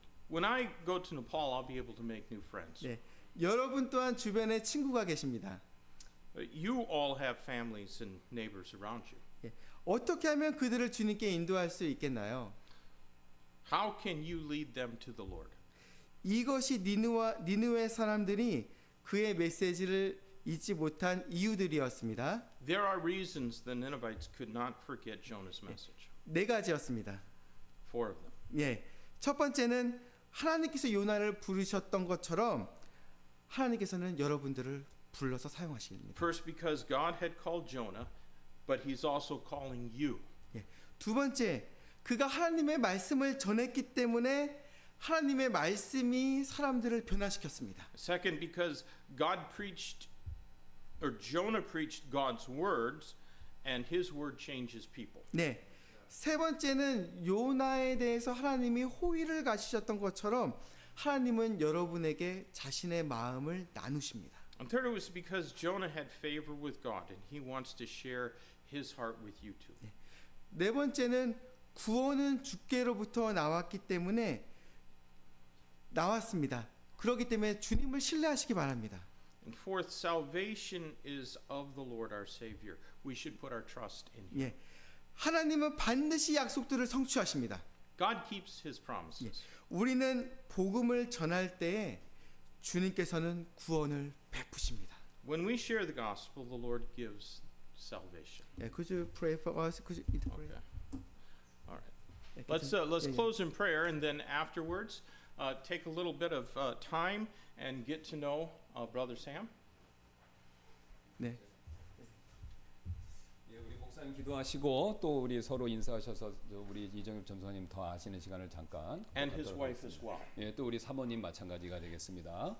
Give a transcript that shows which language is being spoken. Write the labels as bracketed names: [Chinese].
[English] When I go to Nepal, I'll be able to make new friends. [Korean] 네, 여러분 또한 주변에 친구가 계십니다. [English] You all have families and neighbors around you. [Korean] 예, 어떻게 하면 그들을 주님께 인도할 수 있겠나요? [English] How can you lead them to the Lord? [Korean] 이것이 니느웨 사람들이 그의 메시지를 잊지 못한 이유들이었습니다. [English] There are reasons the Ninevites could not forget Jonah's message. [Korean] 네 가지였습니다. [English] Four of them. [Korean] 예, 첫 번째는 하나님께서 요나를 부르셨던 것처럼 하나님께서는 여러분들을 불러서 사용하십니다. [English] First, because God had called Jonah, but He's also calling you. [Korean] 예, 두 번째. 그가 하나님의 말씀을 전했기 때문에 하나님의 말씀이 사람들을 변화시켰습니다. [English] Second, because God preached or Jonah preached God's words and his word changes people. [Korean] 네. 세 번째는 요나에 대해서 하나님이 호의를 가지셨던 것처럼 하나님은 여러분에게 자신의 마음을 나누십니다. [English] And third, it was because Jonah had favor with God and he wants to share his heart with you too. [Korean] 네, 네 번째는 구원은 주께로부터 나왔기 때문에 나왔습니다. 그러기 때문에 주님을 신뢰하시기 바랍니다. [English] And fourth, salvation is of the Lord our Savior. We should put our trust in Him. [Korean] 예, 하나님은 반드시 약속들을 성취하십니다. [English] God keeps His promises. [Korean] 예, 우리는 복음을 전할 때에 주님께서는 구원을 베푸십니다. [English] When we share the gospel, the Lord gives salvation. 예, could you pray for us? Could you interpret? Okay. Let's close in prayer, and then afterwards, take a little bit of time and get to know Brother Sam. [Korean] 네. 예, 우리 목사님 기도하시고 또 우리 서로 인사하셔서 우리 이정엽 전사님 더 아시는 시간을 잠깐. [English] And his wife as well. [Korean] 예, 또 우리 사모님 마찬가지가 되겠습니다.